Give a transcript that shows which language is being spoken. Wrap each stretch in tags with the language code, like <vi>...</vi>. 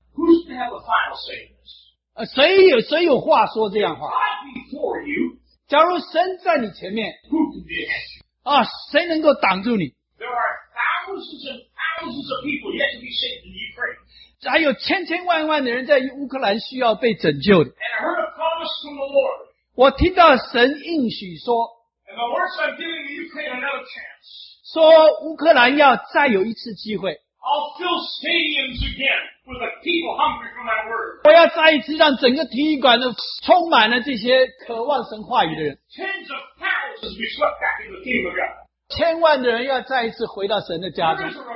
<en>Who's going to have a final say in this?</en> <zh>谁有话说这样话</zh> <en>God before you.</en> <zh>假如神在你前面</zh> <en>Who can be against you?</en> <zh>啊，谁能够挡住你</zh> <en>There are thousands and thousands of people yet to be saved in Ukraine.</en> <zh>还有千千万万的人在乌克兰需要被拯救的</zh> <en>And I heard a promise from the Lord.</en> <zh>我听到神应许说</zh> <en>And the Lord said, I'm giving the Ukraine another chance.</en> <zh>说乌克兰要再有一次机会</zh> <en>I'll fill stadiums again for the people hungry for my word.</en> <zh>我要再一次让整个体育馆都充满了这些渴望神话语的人</zh> <en>Tens of thousands be swept back into the kingdom of God.</en> <zh>千万的人要再一次回到神的家中。</zh>